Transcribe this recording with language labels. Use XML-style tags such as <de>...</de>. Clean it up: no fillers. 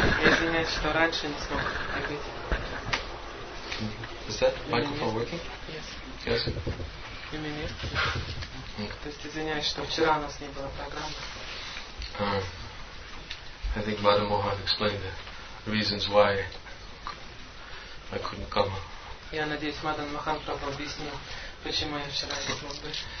<ru>Извиняюсь, что раньше не смог ответить.</ru> <en>Is that microphone working? Yes. Yes.</en> <ru>Или нет? То есть извиняюсь, что вчера у нас не было программы.</ru> <en>I think Madam Mohan explained the reasons why I couldn't come.</en> <ru>Я надеюсь, Мадам Махан правда объяснил, почему я вчера не смог быть.</ru>